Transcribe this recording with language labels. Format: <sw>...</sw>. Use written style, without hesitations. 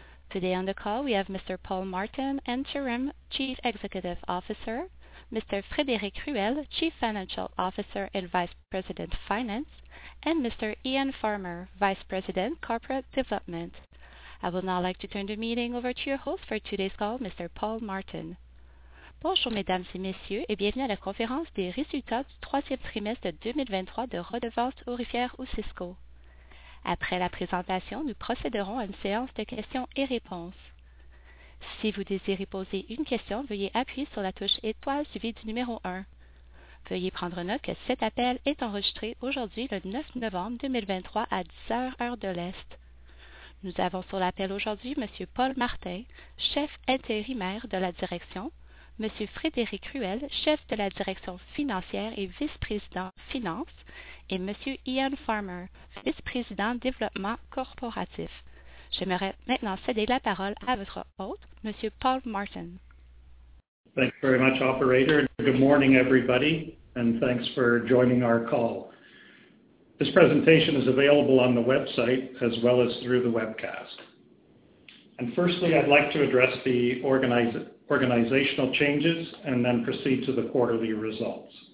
<en>Today on the call, we have Mr. Paul Martin, Interim Chief Executive Officer, Mr. Frédéric Ruel, Chief Financial Officer and Vice President Finance, and Mr. Ian Farmer, Vice President Corporate Development. I would now like to turn the meeting over to your host for today's call, Mr. Paul Martin.</en> <fr>Bonjour, mesdames et messieurs, et bienvenue à la conférence des résultats du troisième trimestre de 2023 de redevances aurifières Osisko. Après la présentation, nous procéderons à une séance de questions et réponses. Si vous désirez poser une question, veuillez appuyer sur la touche étoile suivie du numéro 1. Veuillez prendre note que cet appel est enregistré aujourd'hui, le 9 novembre 2023, à 10h, heure de l'Est. Nous avons sur l'appel aujourd'hui M. Paul Martin, chef intérimaire de la direction, M. Frédéric Ruel, chef de la direction financière et vice-président finance, et M. Ian Farmer, vice-président développement corporatif. J'aimerais maintenant céder la parole à votre hôte, M. Paul Martin.</fr> <en>Thanks very much, operator. Good morning, everybody, and thanks for joining our call. This presentation is available on the website as well as through the webcast. And firstly, I'd like to address the organizational changes and then proceed to the quarterly results.</en>